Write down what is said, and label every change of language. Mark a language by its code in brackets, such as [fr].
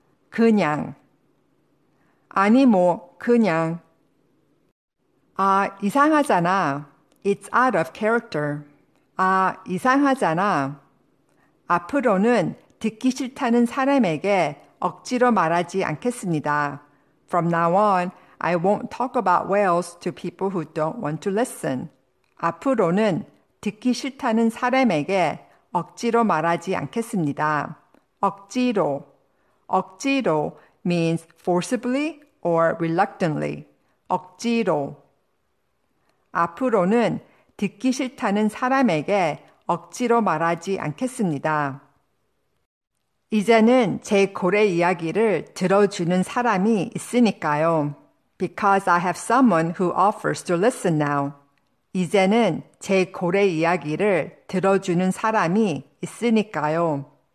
[ko] 그냥 아니 뭐 그냥 아 이상하잖아. [en] It's out of character. [ko] 아 이상하잖아. 앞으로는 듣기 싫다는 사람에게 억지로 말하지 않겠습니다. [en] From now on, I won't talk about whales to people who don't want to listen. [ko] 앞으로는 듣기 싫다는 사람에게 억지로 말하지 않겠습니다. [en] 억지로. 억지로 means forcibly or reluctantly. 억지로. [ko] 앞으로는 듣기 싫다는 사람에게 억지로 말하지 않겠습니다. 이제는 제 고래 이야기를 들어주는 사람이 있으니까요. [en] Because I have someone who offers to listen now. [ko] 이제는 제 고래 이야기를 들어주는 사람이 있으니까요.